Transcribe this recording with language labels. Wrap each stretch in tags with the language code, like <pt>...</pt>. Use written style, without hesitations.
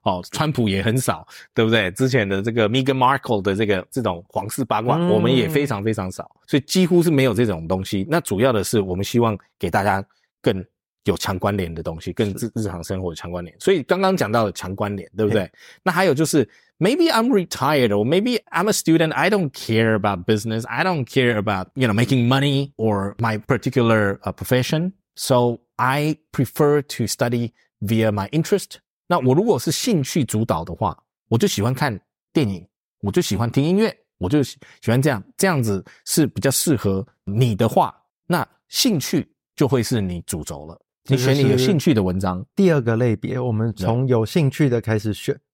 <zh>川普也很少，对不对？之前的这个 Meghan Markle 的这种皇室八卦、我们也非常非常少，所以几乎是没有这种东西。那主要的是我们希望给大家更有强关联的东西，更日常生活的强关联。所以刚刚讲到的强关联，对不对？那还有就是</zh> <en>Maybe I'm retired or maybe I'm a student, I don't care about business, I don't care about, you know, making money or my particular profession, so I prefer to study via my interest。</en> <zh>那我如果是兴趣主导的话，我就喜欢看电影，我就喜欢听音乐，我就喜欢这样子是比较适合你的话，那兴趣就会是你主轴了，你选你有兴趣的文章。第二个类别，我们从有兴趣的开始选。</zh>